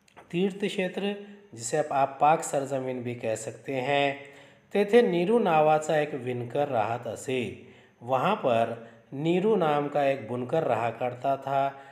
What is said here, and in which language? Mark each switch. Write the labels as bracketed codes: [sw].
[hi] तीर्थ क्षेत्र जिसे आप पाक सरजमीन भी कह सकते हैं। [mr] तेथे नीरू नावाचा एक विनकर राहत असे। [hi] वहाँ पर नीरू नाम का एक बुनकर रहा करता था।